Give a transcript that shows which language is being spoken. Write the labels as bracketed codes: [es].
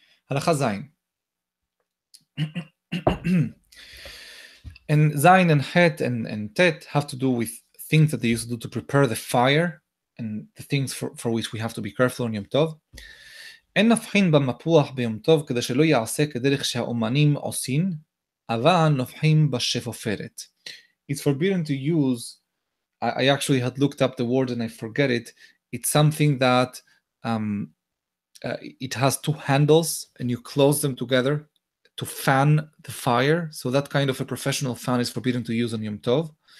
[en] Halacha Zayin. And Zayin and Het and Tet have to do with things that they used to do to prepare the fire and the things for which we have to be careful on Yom Tov. [he] אין נפחין במפוח ביום טוב כדי שלא יעשה כדרך שהאומנים עושים, אבל נפחין בשפופרת. [en] It's forbidden to use, I actually had looked up the word and I forget it, it's something that it has two handles and you close them together to fan the fire, so that kind of a professional fan is forbidden to use on Yom Tov.